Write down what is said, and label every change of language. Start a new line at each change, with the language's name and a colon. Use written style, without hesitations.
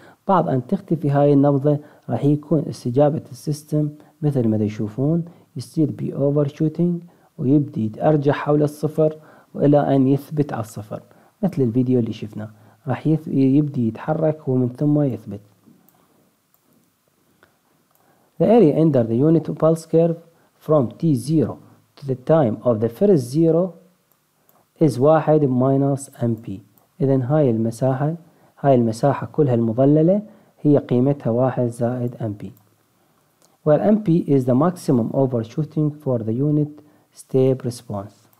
Arabic: بعد أن تختفي هاي النبضة راح يكون استجابة السيستم مثل ما تشوفون يصير بي أوفر شوتينج ويبدي يتأرجع حول الصفر وإلى أن يثبت على الصفر مثل الفيديو اللي شفناه، راح يبدي يتحرك ومن ثم يثبت.
English: The area under the unit pulse curve from T0 to the time of the first zero is 1 minus MP.
Arabic: إذا هاي المساحة، هاي المساحة كلها المظللة هي قيمتها 1 زائد MP.
English: Where MP is the maximum overshooting for the unit step response.